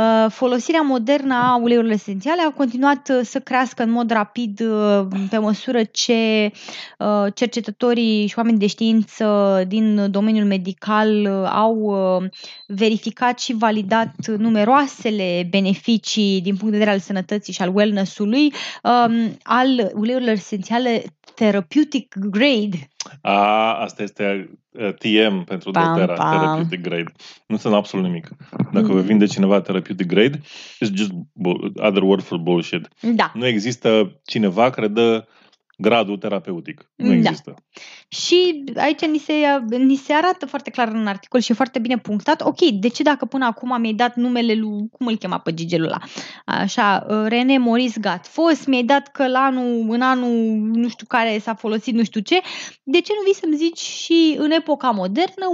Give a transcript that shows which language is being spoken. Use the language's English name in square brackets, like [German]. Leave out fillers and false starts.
[Romanian] Folosirea modernă a uleiurilor esențiale a continuat să crească în mod rapid pe măsură ce cercetătorii și oameni de știință din domeniul medical au verificat și validat numeroasele beneficii din punct de vedere al sănătății și al wellness-ului al uleiurilor esențiale therapeutic grade. Asta este TM pentru doTERRA, therapeutic grade. Nu sunt absolut nimic. Dacă vă vinde cineva [English] therapeutic grade, it's just other word for bullshit. [Romanian] Da. Nu există cineva care dă gradul terapeutic. Nu există. Și aici ni se arată foarte clar în articol și foarte bine punctat. Ok, de ce dacă până acum mi-ai dat numele lui, cum îl chema pe gigelul ăla? Așa, René Maurice Gatfoss, mi-ai dat că în anul nu știu care s-a folosit nu știu ce, de ce nu vii să-mi zici și în epoca modernă?